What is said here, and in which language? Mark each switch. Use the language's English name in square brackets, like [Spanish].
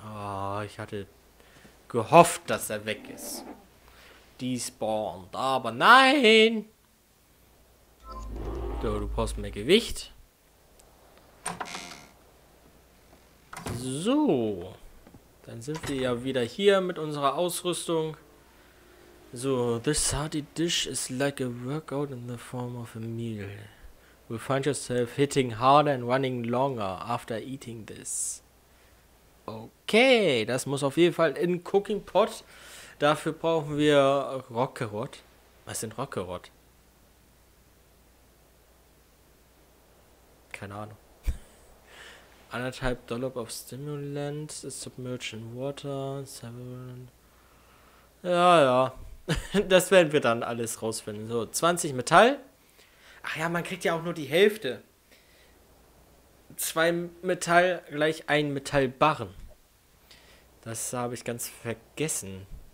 [German] Ah, oh, ich hatte gehofft, dass er weg ist. Despawned. Aber nein! So, du brauchst mehr Gewicht. So. Dann sind wir ja wieder hier mit unserer Ausrüstung. [English] So, this hearty dish is like a workout in the form of a meal. You find yourself hitting harder and running longer after eating this. [German] Okay, das muss auf jeden Fall in Cooking Pot. Dafür brauchen wir Rockerot. Was sind Rockerot? Keine Ahnung. [English] 1,5 Dollop of Stimulant is submerged in water. [German] 7. Ja, ja. Das werden wir dann alles rausfinden. So, 20 Metall. Ach ja, man kriegt ja auch nur die Hälfte. 2 Metall gleich 1 Metallbarren. Das habe ich ganz vergessen.